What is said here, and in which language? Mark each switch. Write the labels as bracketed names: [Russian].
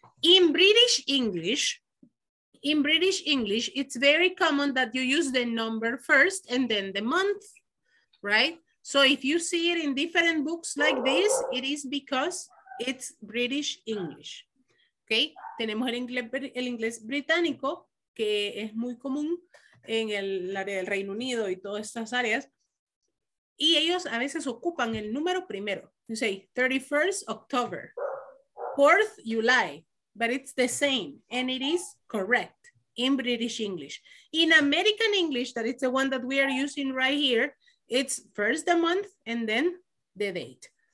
[English] In British English, it's very common that you use the number first and then the month, right? So if you see it in different books like this, it is because it's British English, okay? [Spanish] Tenemos el inglés británico, que es muy común en el área del Reino Unido y todas estas áreas. Y ellos a veces ocupan el número primero. [English] You say 31st October, 4th July, but it's the same and it is correct in British English. In American English, that is the one that we are using right here, it's first the month and then the date.